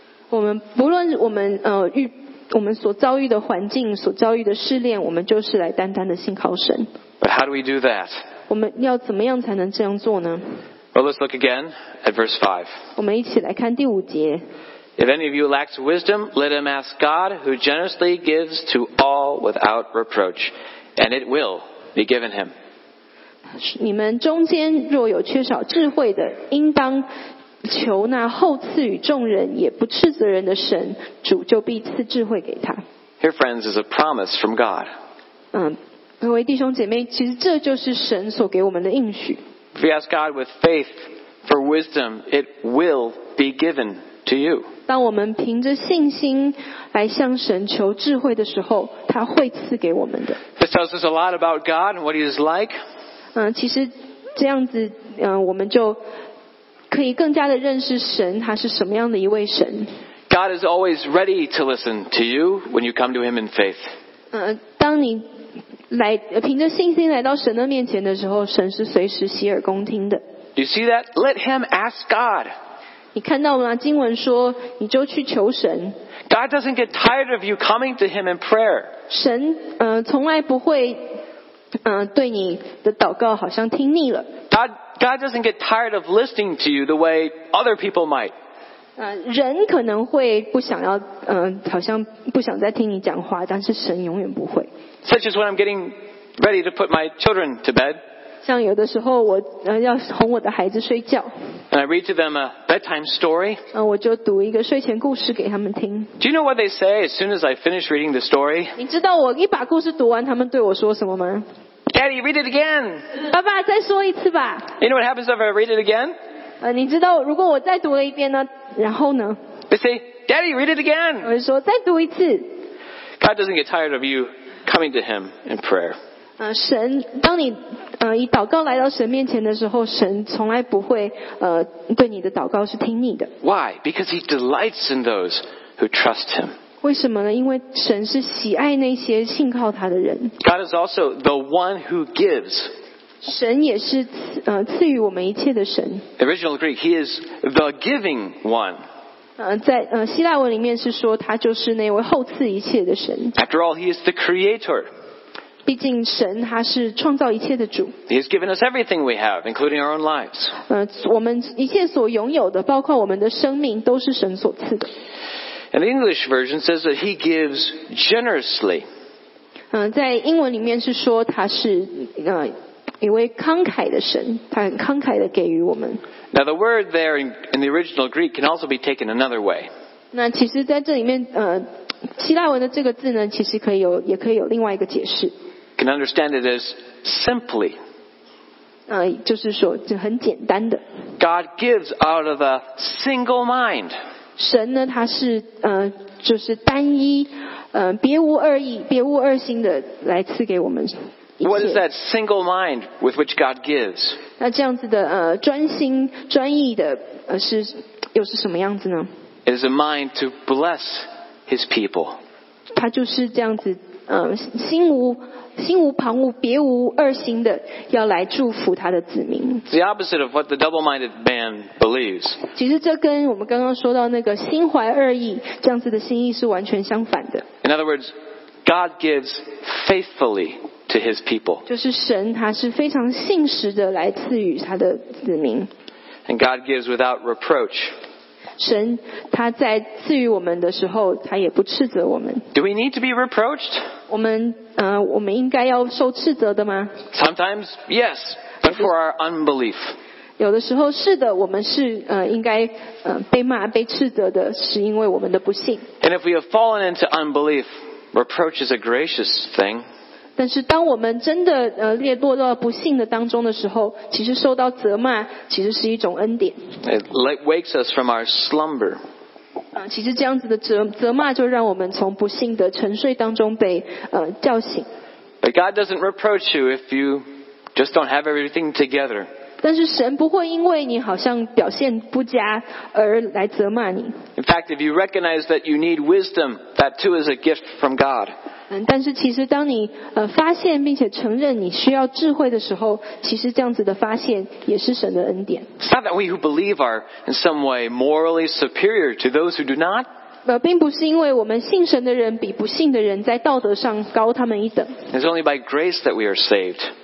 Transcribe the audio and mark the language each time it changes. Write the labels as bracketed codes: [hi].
[zh] 我们不论我们我们所遭遇的环境，所遭遇的试炼，我们就是来单单的信靠神。 [en] But how do we do that? [zh] 我们要怎么样才能这样做呢？ [en] Well, let's look again at verse 5. [zh] 我们一起来看第五节。 [en] If any of you lacks wisdom, let him ask God, who generously gives to all without reproach, and it will be given him. [zh] 你们中间若有缺少智慧的，应当求那厚赐予众人也不斥责人的神，主就必赐智慧给他。 [en] Here, friends, is a promise from God. [zh] 各位弟兄姐妹，其实这就是神所给我们的应许。 [en] If you ask God with faith for wisdom, it will be given to you. [zh] 当我们凭着信心来向神求智慧的时候，他会赐给我们的。 [en] This tells us a lot about God and what He is like. [zh] 其实这样子，我们就可以更加的认识神，他是什么样的一位神。 [en] God is always ready to listen to you when you come to Him in faith. [zh] 当你来凭着信心来到神的面前的时候，神是随时洗耳恭听的。 [en] You see that? Let him ask God. [zh] 你看到吗？经文说，你就去求神。 [en] God doesn't get tired of you coming to Him in prayer. [zh] 神从来不会对你的祷告好像听腻了。 [en] God doesn't get tired of listening to you the way other people might. [zh] 人可能会不想要好像不想再听你讲话，但是神永远不会。 [en] Such as when I'm getting ready to put my children to bed. [zh] 像有的时候我要哄我的孩子睡觉。 [en] And I read to them a bedtime story. [zh] 我就读一个睡前故事给他们听。 [en] Do you know what they say as soon as I finish reading the story? [zh] 你知道我一把故事读完，他们对我说什么吗？ [en] Daddy, read it again. [zh] 爸爸，再说一次吧。 [en] You know what happens if I read it again? [zh] 你知道如果我再读了一遍呢？然后呢 [en] ？They say, Daddy, read it again. [zh] 我说再读一次。 [en] God doesn't get tired of you coming to Him in prayer. [zh] 神，当你以祷告来到神面前的时候，神从来不会对你的祷告是听你的。 [en] Why? Because he delights in those who trust him. [zh] 为什么呢？因为神是喜爱那些信靠他的人。 [en] God is also the one who gives. [zh] 神也是赐予我们一切的神。 [en] Original Greek, he is the giving one. [zh] 在希腊文里面是说他就是那位后赐一切的神。 [en] After all, he is the creator. [zh] 毕竟神他是创造一切的主。 [en] He has given us everything we have, including our own lives. [zh] 我们一切所拥有的，包括我们的生命，都是神所赐的。 [en] And the English version says that he gives generously. [zh] 在英文里面是说他是一位慷慨的神，他很慷慨的给予我们。 [en] Now the word there in the original Greek can also be taken another way. [zh] 那其实在这里面希腊文的这个字呢，其实可以有，也可以有另外一个解释。 [en] Can understand it as simply. [zh] 就是说，就很简单的。 [en] God gives out of a single mind. [zh] 神呢，他是就是单一，别无二意，别无二心的来赐给我们。 [en] What is that single mind with which God gives? [zh] 那这样子的专心专意的是又是什么样子呢 [en] ？It is a mind to bless. His people. [zh] 他就是这样子，心无旁骛，别无二心的，要来祝福他的子民。 [en] It's the opposite of what the double-minded man believes. [zh] 其实这跟我们刚刚说到那个心怀二意这样子的心意是完全相反的。 [en] In other words, God gives faithfully to His people. [zh] 就是神他是非常信实的来赐予他的子民。 [en] And God gives without reproach. [zh] 神他在赐予我们的时候，他也不斥责我们。 [en] Do we need to be reproached? [zh] 我们应该要受斥责的吗 [en] ？Sometimes yes, but for our unbelief. [zh] 有的时候是的，我们是应该被骂、被斥责的，是因为我们的不信。 [en] And if we have fallen into unbelief, reproach is a gracious thing. [zh] 但是当我们真的跌落到不幸的当中的时候，其实受到责骂，其实是一种恩典。 [en] It wakes us from our slumber. [zh] 其实这样子的责骂就让我们从不幸的沉睡当中被叫醒。 [en] But God doesn't reproach you if you just don't have everything together. [zh] 但是神不会因为你好像表现不佳而来责骂你。 [en] In fact, if you recognize that you need wisdom, that too is a gift from God. [zh] 但是其实当你发现并且承认你需要智慧的时候，其实这样子的发现也是神的恩典。 [en] It's not that we who believe are in some way morally superior to those who do not. [zh] 并不是因为我们信神的人比不信的人在道德上高他们一等。 [en] It's only by grace that we are saved.